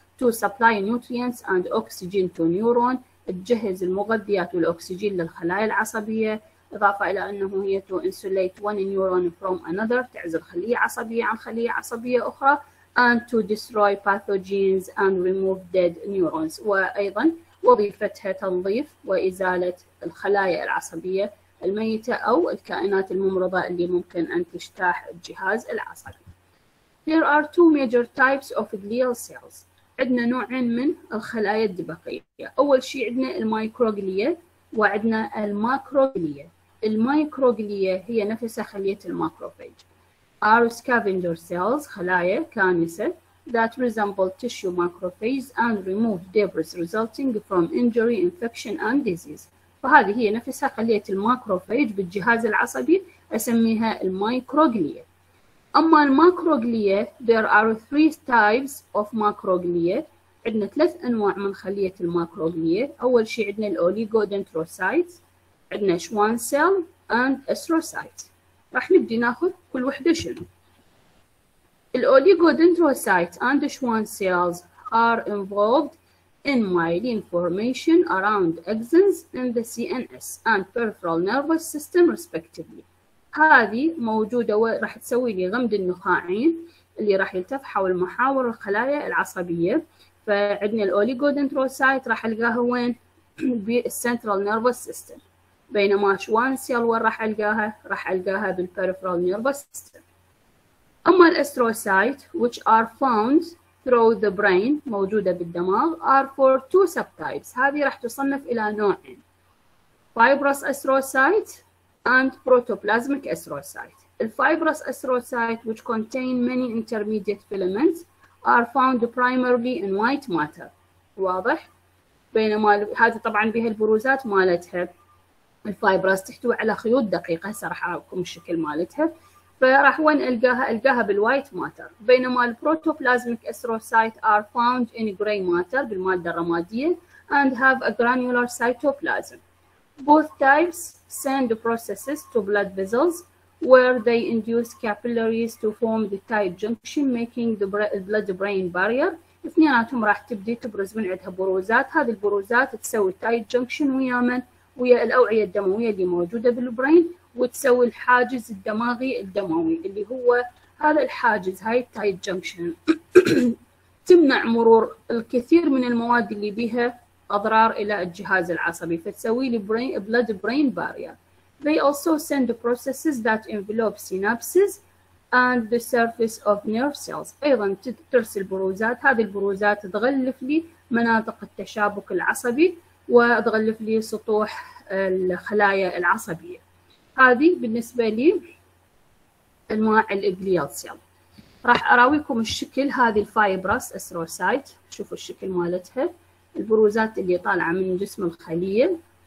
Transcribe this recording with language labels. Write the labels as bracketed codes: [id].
[en] To supply nutrients and oxygen to neuron، [ar] تجهز المغذيات والأكسجين للخلايا العصبية، إضافة إلى أنه هي [en] to insulate one neuron from another، [ar] تعزل خلية عصبية عن خلية عصبية أخرى. [en] And to destroy pathogens and remove dead neurons، [ar] وأيضا وظيفتها تنظيف وإزالة الخلايا العصبية الميتة أو الكائنات الممرضة اللي ممكن أن تجتاح الجهاز العصبي. [en] There are two major types of glial cells. [ar] عندنا نوعين من الخلايا الدبقية. أول شيء عندنا الميكروغليا وعندنا الماكروغليا. الميكروغليا هي نفسها خلية الماكروفاج. [en] Are scavenger cells، [ar] خلايا كانسة. [en] That resemble tissue macrophages and remove debris resulting from injury, infection and disease. [ar] فهذه هي نفسها خلية الماكروفيج بالجهاز العصبي، أسميها الميكروغليا. أما الماكروغليا، [en] there are three types of macroglia. [ar] عندنا ثلاث أنواع من خلية الماكروغليا. أول شيء عندنا الأوليغودنتروسايتس، عندنا شوان سيل and أستروسايتس. راح نبدي ناخذ كل وحدة شنو. [en] الأوليغودنتروسايتس and Schwann cells are involved in myelin formation around axons in the CNS and peripheral nervous system respectively. [ar] هذه موجودة وراح تسوي لي غمد النخاعين اللي راح يلتف حول محاور الخلايا العصبية. فعندنا الأوليغودنتروسايت راح ألقاها وين؟ بالcentral nervous system. بينما شوان سيل وين راح ألقاها؟ راح ألقاها بالperipheral nervous system. [en] أما الأستروسايت which are found through the brain، [ar] موجودة بالدماغ، [en] are for two subtypes، [ar] هذه راح تصنف إلى نوعين، [en] fibrous astrocyte and protoplasmic astrocyte. The fibrous astrocyte which contain many intermediate filaments are found primarily in white matter، [ar] واضح؟ بينما هذه طبعا بها البروزات مالتها، الفايبرس تحتوي على خيوط دقيقة، هسه راح أعطيكم الشكل مالتها. فراح وين ألقاها؟ ألقاها بالوايت ماتر. [en] بينما البروتوبلازميك astrocyte are found in gray matter، [ar] بالمادة الرمادية، [en] and have a granular cytoplasm. Both types send processes to blood vessels where they induce capillaries to form the tight junction making the blood-brain barrier. [ar] اثنيناتهم راح تبدي تبرز من عندها بروزات، هذه البروزات تسوي [en] tight junction [ar] ويا من؟ ويا الأوعية الدموية اللي موجودة بالبرين، وتسوي الحاجز الدماغي الدموي اللي هو هذا الحاجز، هاي التايت جنكشن، تمنع مرور الكثير من المواد اللي بها أضرار إلى الجهاز العصبي، فتسوي لي برين بلاد برين بارير. [en] They also send the processes that envelop synapses and the surface of nerve cells. [ar] أيضا ترسل بروزات، هذه البروزات تغلف لي مناطق التشابك العصبي وتغلف لي سطوح الخلايا العصبية. هذه بالنسبة لي أنواع الجليال سيل. راح أراويكم الشكل، هذه الفايبرس أستروسايت، شوفوا الشكل مالتها، البروزات اللي طالعة من جسم الخلية.